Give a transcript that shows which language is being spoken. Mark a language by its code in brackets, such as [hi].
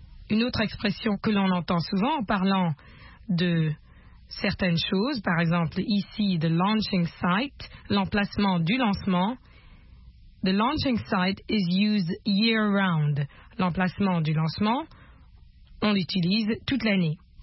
[fr] Une autre expression que l'on entend souvent en parlant de certaines choses, par exemple ici, [en] the launching site, [fr] l'emplacement du lancement. [en] The launching site is used year-round. [fr] L'emplacement du lancement, on l'utilise toute l'année.